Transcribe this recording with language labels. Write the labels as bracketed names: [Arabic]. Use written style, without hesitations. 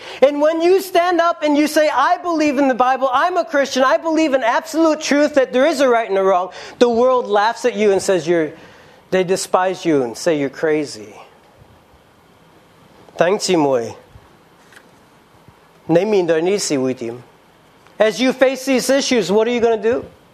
[English] And when you stand up and you say, I believe in the Bible, I'm a Christian, I believe in absolute truth that there is a right and a wrong, the world laughs at you and says they despise you and say you're crazy. [Chinese] 弟兄姊妹， 你面对这些事会怎样？ [English] As you face these issues, what are you going to do?